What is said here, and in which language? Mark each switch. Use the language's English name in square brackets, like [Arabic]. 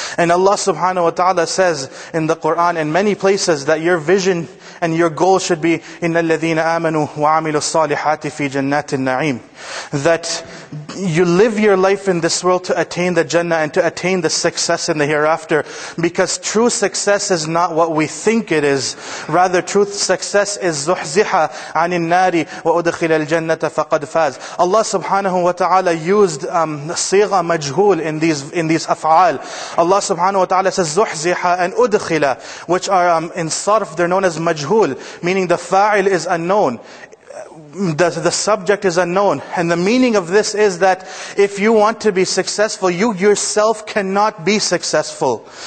[English] And Allah subhanahu wa ta'ala says in the Qur'an in many places that your vision and your goal should be [Arabic] إِنَّ الَّذِينَ آمَنُوا وَعَمِلُوا الصَّالِحَاتِ فِي جَنَّاتِ النَّعِيمِ. [English] That you live your life in this world to attain the Jannah and to attain the success in the hereafter. Because true success is not what we think it is. Rather, true success is [Arabic] زُحْزِحَ عَنِ النَّارِ وَأُدْخِلَ الْجَنَّةَ فَقَدْ فَازَ. [English] Allah subhanahu wa ta'ala used [Arabic] صِغَ مَجْهُول [English] in these af'al. Allah subhanahu wa ta'ala says زُحْزِحَ and أُدْخِلَ, which are in sarf, they're known as majhul, meaning the fa'il is unknown. The subject is unknown. And the meaning of this is that if you want to be successful, you yourself cannot be successful.